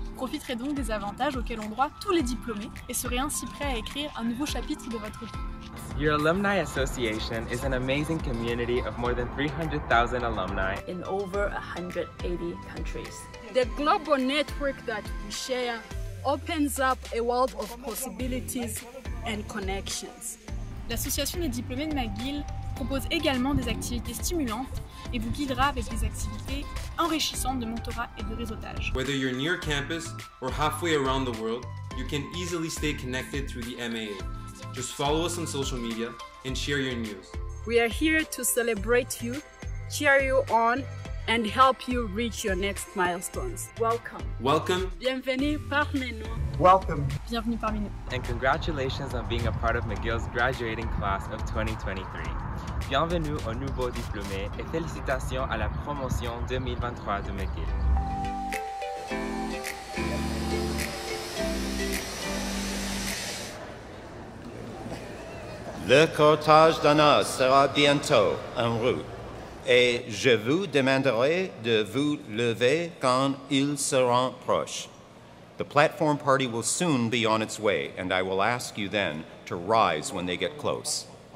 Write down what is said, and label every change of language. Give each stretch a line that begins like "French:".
French: Profiterez donc des avantages auxquels ont droit tous les diplômés et serez ainsi prêts à écrire un nouveau chapitre de votre vie.
English: Your Alumni Association is an amazing community of more than 300,000 alumni in over 180 countries. The global network that we share opens up a world of possibilities and connections.
French: L'Association des diplômés de McGill propose également des activités stimulantes et vous guidera avec des activités enrichissantes de mentorat et de réseautage.
English: Whether you're near campus or halfway around the world, you can easily stay connected through the MAA. Just follow us on social media and share your news. We are here to celebrate you, cheer you on, and help you reach your next milestones. Welcome. Welcome.
French: Bienvenue parmi nous.
English: Welcome.
French: Bienvenue parmi nous.
English: And congratulations on being a part of McGill's graduating class of 2023.
French: Bienvenue aux nouveaux diplômés et félicitations à la promotion 2023 de McGill. Le cortège d'honneur sera bientôt en route et je vous demanderai de vous lever quand ils seront proches.
English: The platform party will soon be on its way and I will ask you then to rise when they get close.